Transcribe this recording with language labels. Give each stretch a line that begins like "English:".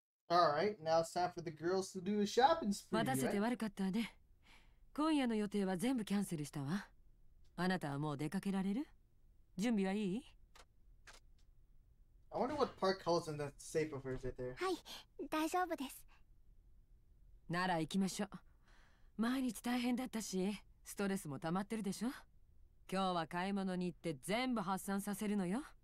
English: All right, now it's time for the girls to do a shopping spree.
Japanese: 待たせて悪かったね。今夜の予定は全部キャンセルしたわ。あなたはもう出かけられる？準備はいい？
English: I wonder what Park calls in that safe of hers right there.
Japanese: はい、大丈夫です。なら行きましょう。毎日大変だったし、ストレスも溜まってるでしょ。今日は買い物に行って全部発散させるのよ。